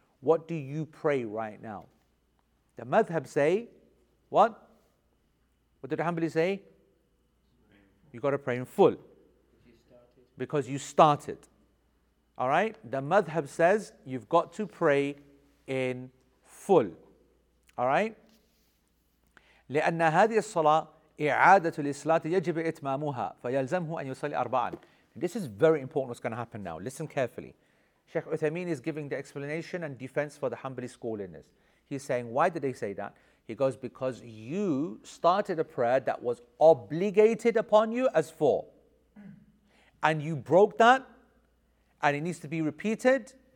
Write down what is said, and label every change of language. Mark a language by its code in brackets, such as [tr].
[en] What do you pray right now? The madhab say, what? What did the Hanbali say? You got to pray in full. because you started. All right? The madhab says you've got to pray in full. All right? [ar] لأن هذه الصلاة إعادة للصلاة يجب إتمامها فيلزمه أن يصلي أربعا. [en] This is very important what's going to happen now. Listen carefully. Sheikh Uthaymeen is giving the explanation and defense for the Hanbali school in this. He's saying, why did they say that? He goes, because you started a prayer that was obligated upon you as four. And you broke that, and it needs to be repeated.